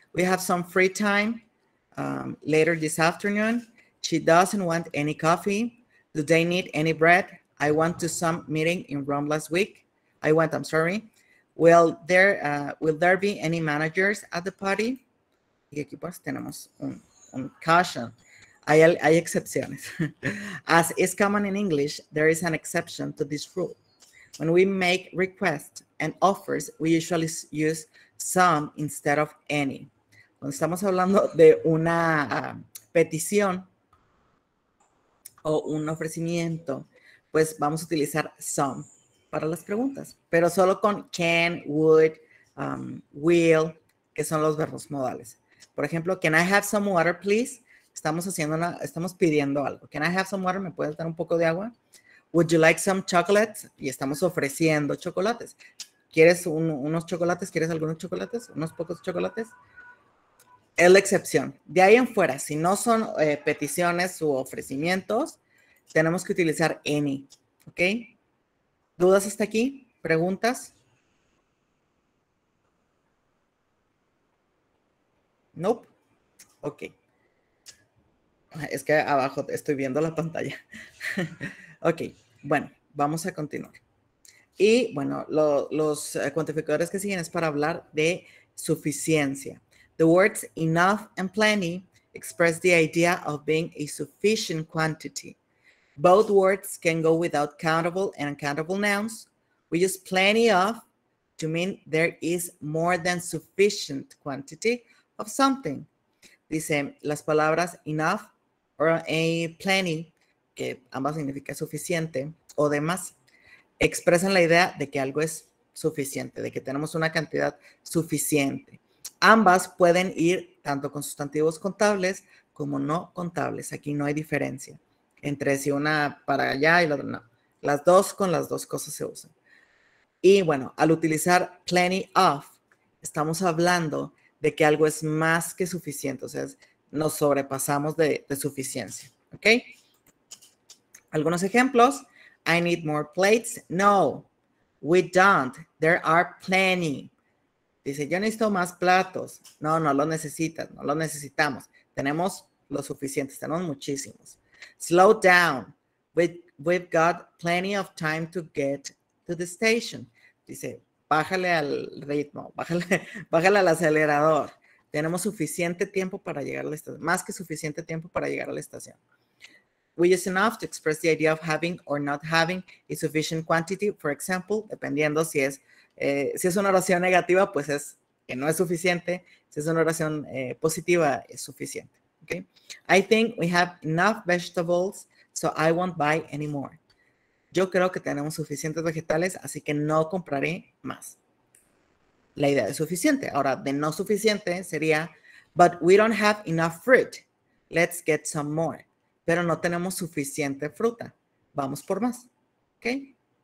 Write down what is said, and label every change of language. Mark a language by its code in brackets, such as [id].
[en] We have some free time later this afternoon. She doesn't want any coffee. Do they need any bread? I went to some meeting in Rome last week. Will there be any managers at the party? [es] Y aquí pues tenemos un caution. Hay excepciones. [en] As is common in English, there is an exception to this rule. When we make requests and offers, we usually use some instead of any. [es] Cuando estamos hablando de una petición o un ofrecimiento, pues vamos a utilizar some para las preguntas, pero solo con can, would, will, que son los verbos modales. Por ejemplo, [en] can I have some water, please? [es] Estamos pidiendo algo. [en] Can I have some water? [es] ¿Me puedes dar un poco de agua? Would you like some chocolates? Y estamos ofreciendo chocolates. ¿Quieres unos chocolates? ¿Quieres algunos chocolates? ¿Unos pocos chocolates? Es la excepción. De ahí en fuera, si no son peticiones u ofrecimientos, tenemos que utilizar any, ¿ok? ¿Dudas hasta aquí? ¿Preguntas? [en] Nope. Ok. [es] Es que abajo estoy viendo la pantalla. Ok, bueno, vamos a continuar. Y bueno, los cuantificadores que siguen es para hablar de suficiencia. [en] The words enough and plenty express the idea of being a sufficient quantity. Both words can go without countable and uncountable nouns. We use plenty of to mean there is more than sufficient quantity of something. [es] Dice, las palabras enough or a plenty, que ambas significa suficiente o demás, expresan la idea de que algo es suficiente, de que tenemos una cantidad suficiente. Ambas pueden ir tanto con sustantivos contables como no contables. Aquí no hay diferencia entre si una para allá y la otra no. Las dos con las dos cosas se usan. Y bueno, al utilizar plenty of, estamos hablando de que algo es más que suficiente. O sea, nos sobrepasamos de suficiencia. [en] ¿Ok? [es] Algunos ejemplos. [en] I need more plates. No, we don't. There are plenty. [es] Dice, yo necesito más platos. No, no lo necesitas, no lo necesitamos. Tenemos los suficientes, tenemos muchísimos. [en] Slow down. We've got plenty of time to get to the station. [es] Dice, bájale al ritmo, bájale al acelerador. Tenemos suficiente tiempo para llegar a la estación, más que suficiente tiempo para llegar a la estación. [en] We use enough to express the idea of having or not having a sufficient quantity. For example, [es] dependiendo si es una oración negativa, pues es que no es suficiente. Si es una oración positiva, es suficiente. [en] Okay? I think we have enough vegetables, so I won't buy any more. [es] Yo creo que tenemos suficientes vegetales, así que no compraré más. La idea de suficiente. Ahora, de no suficiente sería, [en] but we don't have enough fruit. Let's get some more. [es] Pero no tenemos suficiente fruta. Vamos por más. Okay.